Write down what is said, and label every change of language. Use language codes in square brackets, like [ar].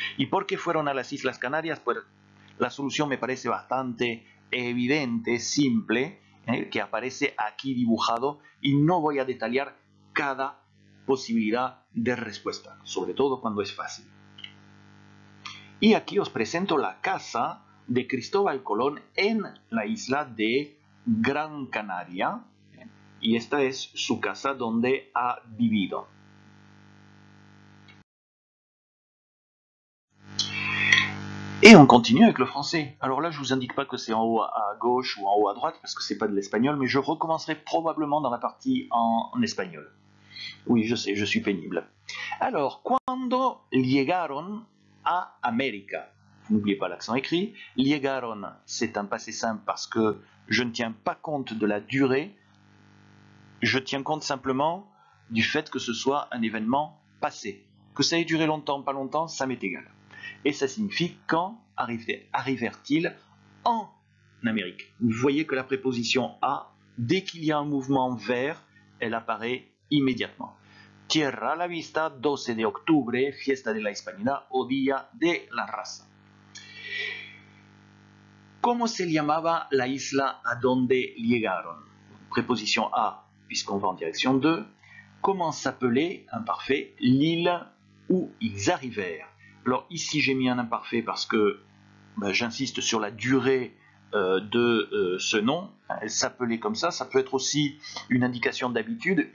[es] ¿Y por qué fueron a las Islas Canarias? Pues la solución me parece bastante evidente, simple, que aparece aquí dibujado y no voy a detallar cada posibilidad de respuesta, sobre todo cuando es fácil. Y aquí os presento la casa de Cristóbal Colón en la isla de Gran Canaria, y esta es su casa donde ha vivido. [fr] Et on continue avec le français. Alors là, je vous indique pas que c'est en haut à gauche ou en haut à droite, parce que c'est pas de l'espagnol, mais je recommencerai probablement dans la partie en espagnol. Oui, je sais, je suis pénible. [es] Alors, cuando llegaron a América? [fr] N'oubliez pas l'accent écrit. Llegaron, c'est un passé simple parce que je ne tiens pas compte de la durée. Je tiens compte simplement du fait que ce soit un événement passé. Que ça ait duré longtemps, pas longtemps, ça m'est égal. Et ça signifie « quand arrivèrent-ils en Amérique ?» Vous voyez que la préposition « a », dès qu'il y a un mouvement vers, elle apparaît immédiatement. [es] « Tierra la vista, 12 de octubre, fiesta de la Hispanidad, o día de la raza. » ¿Cómo se llamaba la isla a donde llegaron ? [fr] Préposition « a », puisqu'on va en direction 2. Comment s'appelait, imparfait, l'île où ils arrivèrent ? Alors ici j'ai mis un imparfait parce que ben, j'insiste sur la durée de ce nom. Elle s'appelait comme ça, ça peut être aussi une indication d'habitude.